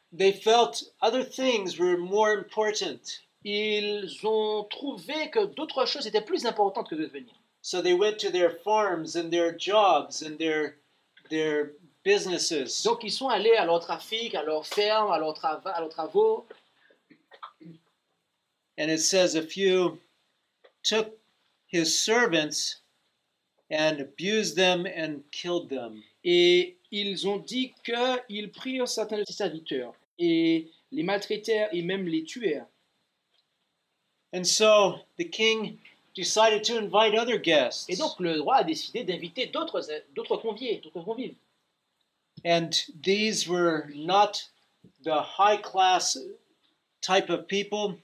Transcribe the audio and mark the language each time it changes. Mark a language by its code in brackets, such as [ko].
[en] They felt other things were more important. [fr] Ils ont trouvé que d'autres choses étaient plus importantes que de venir. [en] So they went to their farms and their jobs and their businesses. [fr] Donc ils sont allés à leur trafic, à leur ferme, à leur travail, à leurs travaux. [en] And it says a few took his servants and abused them and killed them. [fr] Et ils ont dit que ils prirent certains de ses serviteurs et les maltraitèrent et même les tuèrent. [en] And so the king decided to invite other guests. [fr] Et donc le roi a décidé d'inviter d'autres conviés. [en] And these were not the high class type of people.